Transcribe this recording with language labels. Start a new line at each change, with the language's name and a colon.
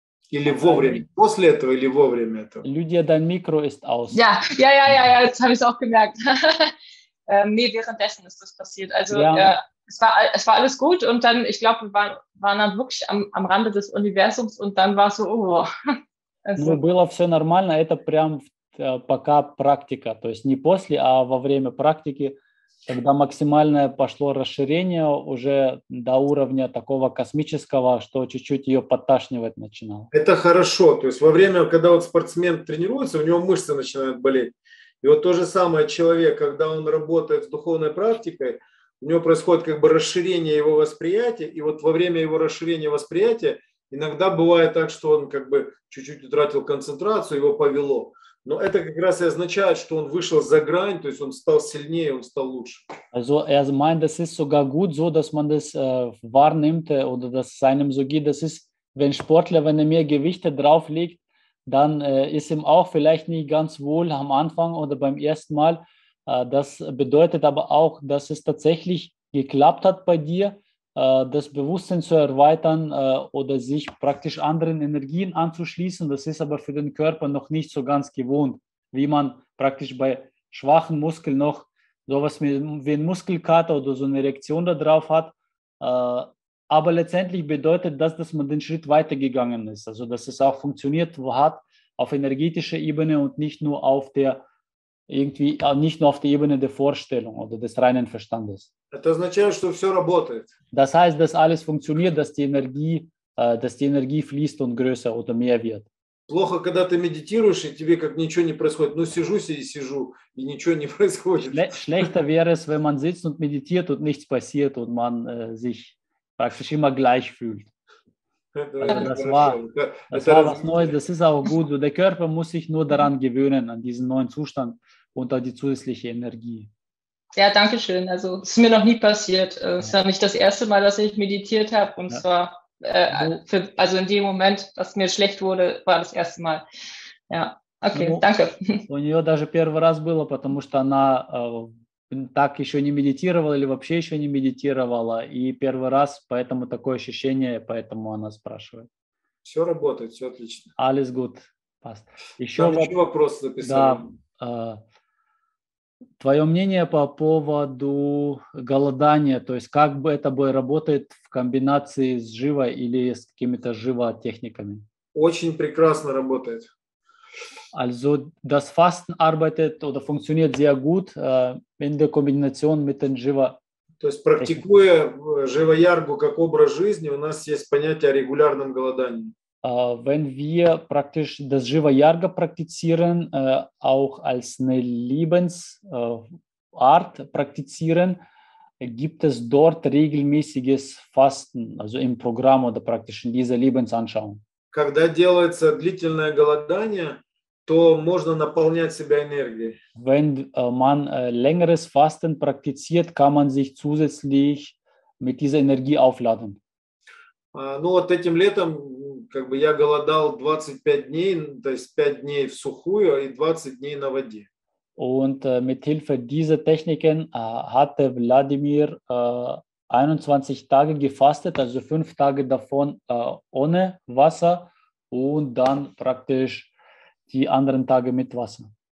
Russian: Или вовремя, после этого или вовремя этого?
German: Lydia, dein Mikro ist aus. Ja, ja, ja, ja, ja, jetzt habe ich es auch gemerkt. Nee, währenddessen ist das passiert. Also, wir, haben, Es war alles gut und dann, ich glaube, wir waren dann wirklich am Rande des Universums und dann war so, oh.
Russian: Ну, было все нормально, это прям пока практика, то есть не после, а во время практики, когда максимальное пошло расширение уже до уровня такого космического, что чуть-чуть ее подташнивать начинало. Это хорошо, то есть во время, когда вот спортсмен тренируется, у него мышцы начинают болеть. И вот то же самое человек, когда он работает с духовной практикой, у него происходит как бы расширение его восприятия, и вот во время его расширения восприятия иногда бывает так, что он как бы чуть-чуть утратил концентрацию, его повело. Но это как раз и означает, что он вышел за грань, то есть он стал сильнее, он стал лучше.
German: Also, er meint, das ist sogar gut, so dass man das wahrnimmt oder dass es einem so geht, das ist, wenn Sportler, wenn er mehr Gewichte drauf legt, dann ist ihm auch vielleicht nicht ganz wohl am Anfang oder beim ersten Mal. Das bedeutet aber auch, dass es tatsächlich geklappt hat bei dir, das Bewusstsein zu erweitern oder sich praktisch anderen Energien anzuschließen. Das ist aber für den Körper noch nicht so ganz gewohnt, wie man praktisch bei schwachen Muskeln noch sowas wie ein Muskelkater oder so eine Reaktion da drauf hat. Aber letztendlich bedeutet das, dass man den Schritt weitergegangen ist, also dass es auch funktioniert hat auf energetischer Ebene und nicht nur auf der irgendwie nicht nur auf der Ebene der Vorstellung oder des reinen Verstandes.
Russian: Это означает, что все работает.
German: Das heißt, dass alles funktioniert, dass die Energie fließt und größer oder mehr wird.
Russian: Плохо, когда ты медитируешь, и тебе как ничего не происходит. Ну, сижу, и ничего не происходит.
German: Schlechter wäre es, wenn man sitzt und meditiert und nichts passiert und man sich praktisch immer gleich fühlt. Das war was Neues, das ist auch gut. Der Körper muss sich nur daran gewöhnen, an diesen neuen Zustand und an die zusätzliche Energie. Ja, danke schön. Also es ist mir noch nie passiert. Es war nicht das erste Mal, dass ich meditiert habe. Und zwar, also in dem Moment, dass mir schlecht wurde, war das erste Mal. Ja, okay, danke.
Russian: У нее даже первый раз было, потому что она так еще не медитировала или вообще еще не медитировала. И первый раз, поэтому такое ощущение, поэтому она спрашивает. Все работает, все отлично.
German: Alles gut.
Russian: Еще вопрос записал. Да. Твое мнение по поводу голодания, то есть как бы это работает в комбинации с живо или с какими-то живо-техниками? Очень прекрасно работает.
German: Also das Fasten arbeitet oder funktioniert sehr gut in der Kombination mit den живо.
Russian: То есть практикуя живо-яргу как образ жизни, у нас есть понятие о регулярном голодании.
German: Wenn wir praktisch das Jiva-Yarga praktizieren, auch als eine Lebensart praktizieren, gibt es dort regelmäßiges Fasten, also im Programm oder praktisch in dieser Lebensanschauung.
Russian: Когда делается длительное голодание, то можно наполнять себя энергией.
German: Wenn man längeres Fasten praktiziert, kann man sich zusätzlich mit dieser Energie aufladen.
Russian: Ну вот этим летом как бы я голодал 25 дней, то есть 5 дней в сухую и 20 дней на воде.
German: Und mit Hilfe dieser Techniken hatte Wladimir 21 Tage gefastet, also 5 Tage davon ohne Wasser und dann praktisch die anderen Tage mit Wasser.